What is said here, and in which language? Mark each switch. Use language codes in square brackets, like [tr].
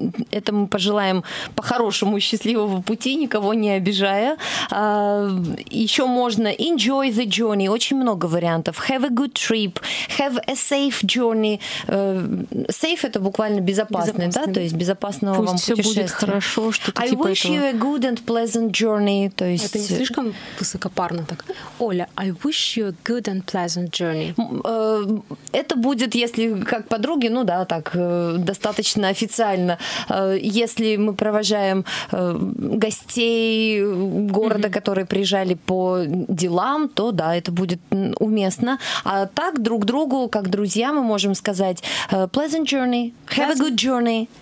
[ru] Это мы пожелаем по-хорошему счастливого пути, никого не обижая. Еще можно [en] enjoy the journey. [ru] Очень много вариантов. [en] Have a good trip, have a safe journey. [ru] Safe — это буквально безопасный, да, то есть безопасного пусть вам путешествия. Пусть все будет хорошо, что-то [en] I [ru] типа этого. [en] I wish you a good and pleasant journey. [ru] То есть... Это не слишком высокопарно так? [en] Оля, I wish you a good and pleasant journey. [ru] Это будет, если как подруги, ну да, так, достаточно официально. Если мы провожаем гостей города, mm-hmm. которые приезжали по делам, то да, это будет уместно. А так друг другу, как друзья, мы можем сказать [en] pleasant journey, have a good journey.